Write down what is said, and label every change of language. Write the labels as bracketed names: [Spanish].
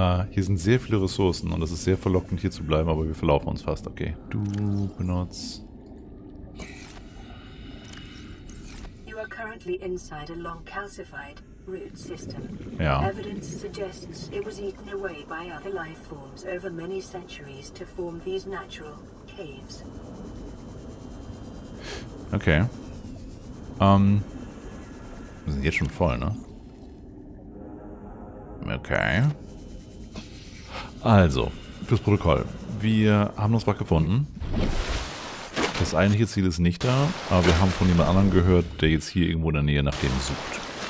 [German] Hier sind sehr viele Ressourcen und es ist sehr verlockend hier zu bleiben, aber wir verlaufen uns fast, okay. Du benutzt. [English] You are currently inside a long calcified root system. [German] Ja. [English] Evidence suggests it was eaten away by other life forms over many centuries to form these natural caves. [German] Okay. Wir sind jetzt schon voll, ne? Okay. Also, fürs Protokoll. Wir haben uns was gefunden. Das eigentliche Ziel ist nicht da, aber wir haben von jemand anderem gehört, der jetzt hier irgendwo in der Nähe nach dem sucht.